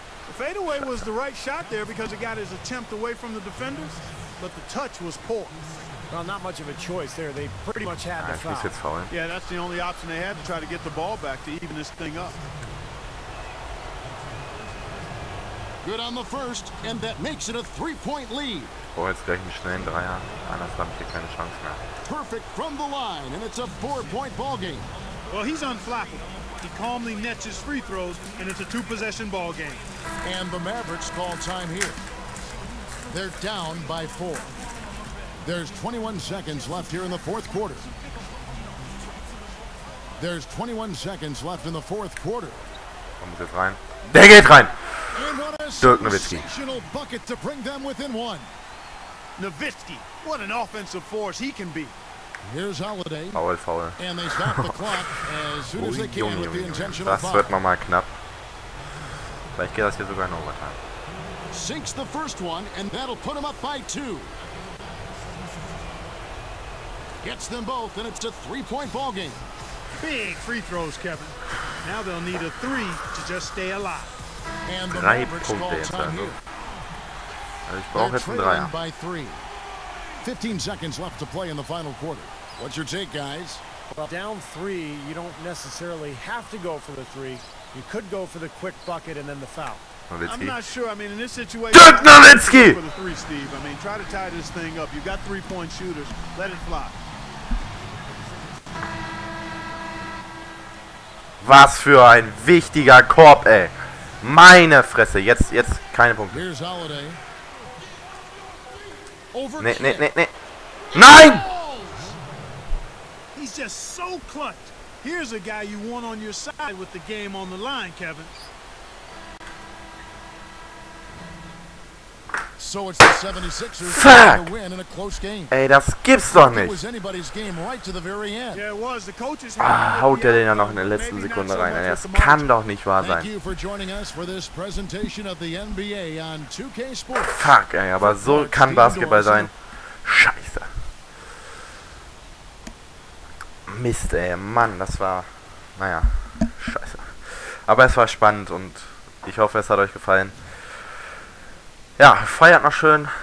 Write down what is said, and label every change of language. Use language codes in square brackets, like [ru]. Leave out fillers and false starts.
[en] The fadeaway was the right shot there because it got his attempt away from the defenders, but the touch was poor. Well, not much of a choice there. They pretty much had to foul. [de] Jetzt fallen. [en] Yeah, that's the only option they had to try to get the ball back to even this thing up. Good on the first, and that makes it a three-point lead. [de] Oh, jetzt gleich einen schnellen Dreier. Anders habe ich hier keine Chance mehr. [en] Perfect from the line, and it's a four-point ball game. Well, he's unflappable. He calmly nets his free throws, and it's a two-possession ball game. And the Mavericks call time here. They're down by four. There's 21 seconds left here in the fourth quarter. There's 21 seconds left in the fourth quarter. [de] Kommt jetzt rein. Der geht rein. Dirk Nowitzki. [en] Sensational bucket to bring them within one. Nowitzki, what an offensive force he can be. Here's Holiday. Foul, foul. And they stop the clock as soon as they can with the intentional foul. [de] Das wird nochmal knapp. Vielleicht geht das hier sogar in Overtime. [en] Sinks the first one, and that'll put him up by two. Gets them both, and it's a three-point ball game. Big free throws, Kevin. Now they'll need a three to just stay alive. And the [de] drei Punkte jetzt. Also ich brauche jetzt einen Dreier. [en] 15 seconds left to play in the final quarter. What's your take, guys? Well, down three, you don't necessarily have to go for the three. You could go for the quick bucket and then the foul. Nowitzki. I'm not sure. I mean, in this situation, Dirk Nowitzki! For the three, Steve. I mean, try to tie this thing up. You've got three-point shooters. Let it fly. [de] Was für ein wichtiger Korb, ey. Meine Fresse. Jetzt keine Punkte. [en] Here's Holiday. [de] Nein! [en] He's just so clutch. Here's a guy you want on your side with the game on the line, Kevin. So it's the 76ers to win in a close game. [de] Ey, das gibt's doch nicht. [en] It was anybody's game right to the very end. Yeah, it was. The coaches. [de] Haut er den ja noch in der letzten Sekunde rein. Das kann doch nicht wahr sein. [en] Thank you for joining us for this presentation of the NBA on 2K Sports. [de] Fuck, ey, aber so kann Basketball sein. Scheiße. Mist, ey, Mann, das war. Naja, scheiße. Aber es war spannend und ich hoffe, es hat euch gefallen. Ja, feiert noch schön.